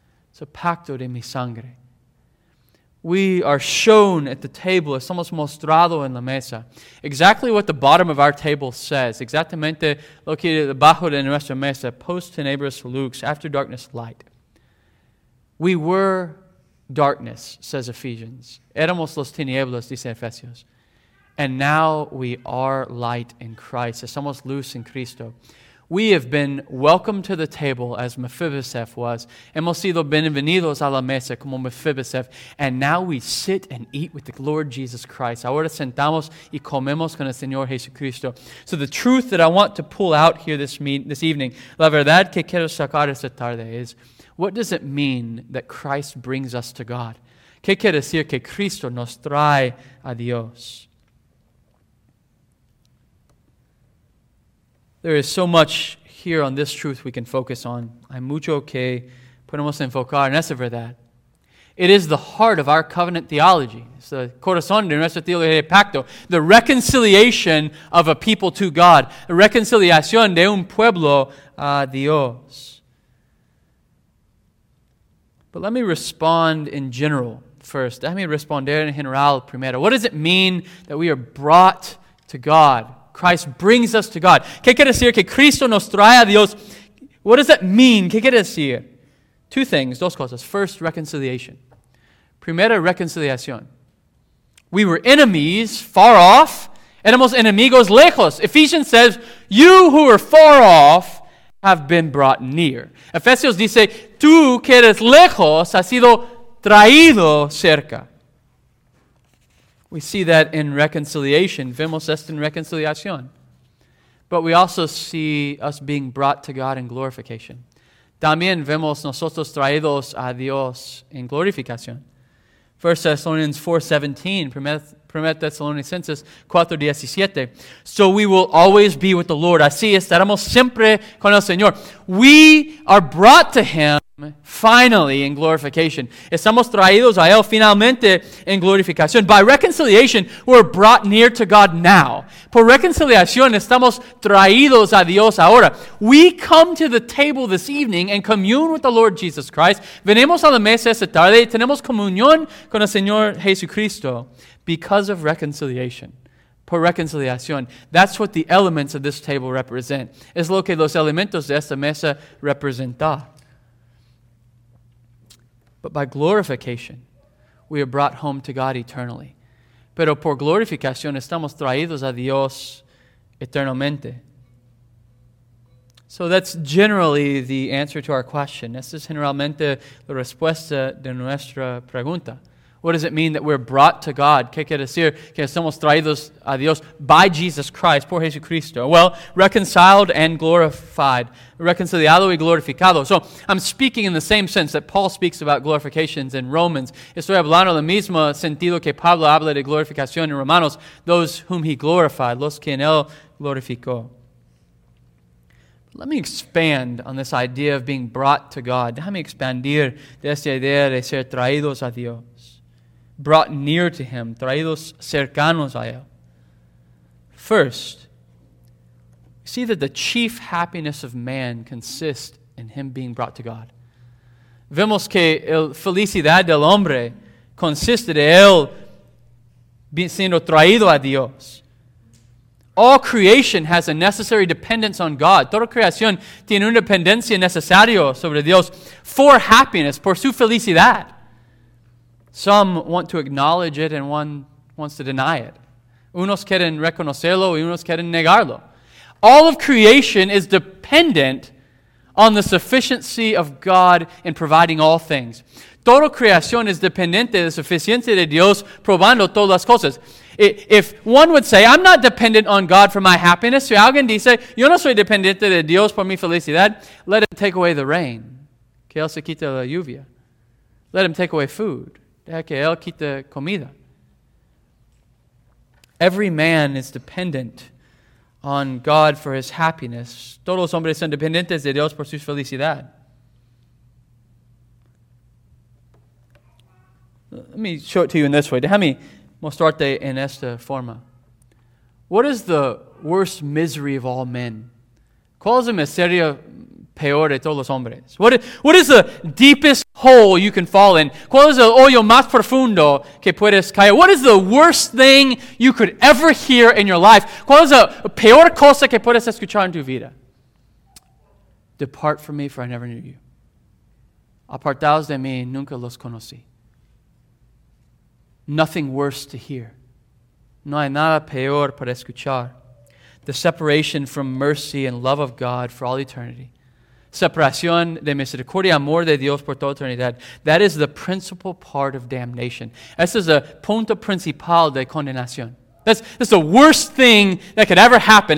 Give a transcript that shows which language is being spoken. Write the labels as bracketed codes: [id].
[en] It's a [es] pacto de mi sangre. [en] We are shown at the table, [es] estamos mostrado en la mesa, [en] exactly what the bottom of our table says, [es] exactamente lo que debajo de nuestra mesa, [la] post tenebris lux, [en] after darkness, light. We were darkness, says Ephesians. [es] Éramos los tinieblas, dice Efesios. [en] And now we are light in Christ, [es] estamos luz en Cristo. [en] We have been welcomed to the table as Mephibosheth was. [es] Hemos sido bienvenidos a la mesa como Mephibosheth. [en] And now we sit and eat with the Lord Jesus Christ. [es] Ahora sentamos y comemos con el Señor Jesucristo. [en] So the truth that I want to pull out here this evening, [es] la verdad que quiero sacar esta tarde, [en] is what does it mean that Christ brings us to God? [es] ¿Qué quiere decir que Cristo nos trae a Dios? [en] There is so much here on this truth we can focus on. [es] Hay mucho que podemos enfocar en esa verdad. [en] It is the heart of our covenant theology. It's the [es] corazón de nuestra teología de pacto. [en] The reconciliation of a people to God. [es] La reconciliación de un pueblo a Dios. [en] But let me respond in general first. [es] Déjame responder en general primero. [en] What does it mean that we are brought to God? Christ brings us to God. [es] ¿Qué quiere decir que Cristo nos trae a Dios? [en] What does that mean? [es] ¿Qué quiere decir? [en] Two things, [es] dos cosas. [en] First, reconciliation. [es] Primera reconciliación. [en] We were enemies, far off. [es] Éramos enemigos lejos. [en] Ephesians says, you who were far off have been brought near. [es] Efesios dice, tú que eres lejos has sido traído cerca. [en] We see that in reconciliation. [es] Vemos esto en reconciliación. [en] But we also see us being brought to God in glorification. [es] También vemos nosotros traídos a Dios en glorificación. [en] 1 Thessalonians 4:17, 1 Thessalonians 4:17. So we will always be with the Lord. [es] Así estaremos siempre con el Señor. [en] We are brought to Him finally in glorification. [es] Estamos traídos a Él finalmente en glorificación. [en] By reconciliation, we're brought near to God now. [es] Por reconciliación, estamos traídos a Dios ahora. [en] We come to the table this evening and commune with the Lord Jesus Christ. [es] Venimos a la mesa esta tarde y tenemos comunión con el Señor Jesucristo. [en] Because of reconciliation, [es] por reconciliación, [en] that's what the elements of this table represent. [es] Es lo que los elementos de esta mesa representa. [en] But by glorification, we are brought home to God eternally. [es] Pero por glorificación, estamos traídos a Dios eternamente. [en] So that's generally the answer to our question. [es] Esta es generalmente la respuesta de nuestra pregunta. [en] What does it mean that we're brought to God? [es] ¿Qué quiere decir que somos traídos a Dios [en] by Jesus Christ, [es] por Jesucristo? [en] Well, reconciled and glorified. [es] Reconciliado y glorificado. [en] So, I'm speaking in the same sense that Paul speaks about glorifications in Romans. [es] Estoy hablando del mismo sentido que Pablo habla de glorificación en Romanos, [en] those whom he glorified, [es] los que en él glorificó. [en] Let me expand on this idea of being brought to God. [es] Déjame expandir de esta idea de ser traídos a Dios. [en] Brought near to Him, [es] traídos cercanos a Él. [en] First, see that the chief happiness of man consists in him being brought to God. [es] Vemos que el felicidad del hombre consiste de él siendo traído a Dios. [en] All creation has a necessary dependence on God. [es] Toda creación tiene una dependencia necesaria sobre Dios [en] for happiness, [es] por su felicidad. [en] Some want to acknowledge it and one wants to deny it. [es] Unos quieren reconocerlo y unos quieren negarlo. [en] All of creation is dependent on the sufficiency of God in providing all things. [es] Toda creación es dependiente de la suficiencia de Dios probando todas las cosas. [en] If one would say, I'm not dependent on God for my happiness, [es] si alguien dice, yo no soy dependiente de Dios por mi felicidad, [en] let him take away the rain. [es] Que él se quite la lluvia. [en] Let him take away food. [es] Deja que él quite comida. [en] Every man is dependent on God for his happiness. [es] Todos hombres son dependientes de Dios por su felicidad. [en] Let me show it to you in this way. [es] Déjame mostrarte en esta forma. [en] What is the worst misery of all men? [es] ¿Cuál es la miseria peor de todos los hombres? [en] What is the deepest hole you can fall in? [es] ¿Cuál es el hoyo más profundo que puedes caer? [en] What is the worst thing you could ever hear in your life? [es] ¿Cuál es la peor cosa que puedes escuchar en tu vida? [en] Depart from me, for I never knew you. [es] Apartaos de mí, nunca los conocí. [en] Nothing worse to hear. [es] No hay nada peor para escuchar. [en] The separation from mercy and love of God for all eternity. [es] Separación de misericordia, amor de Dios por toda eternidad. [en] That is the principal part of damnation. [es] Ese es el punto principal de condenación. [en] That's the worst thing that could ever happen.